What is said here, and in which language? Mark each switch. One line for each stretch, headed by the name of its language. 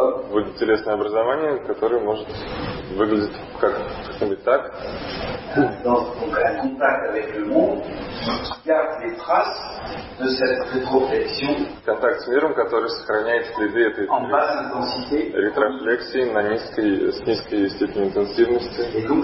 Russian: Будет телесное образование, которое может выглядеть как-нибудь так.
French: Donc, un contact avec le monde qui garde les traces de cette rétroflexion.
Russian: Контакт с миром, который сохраняет следы этой ретрофлексии на с низкой степенью интенсивности.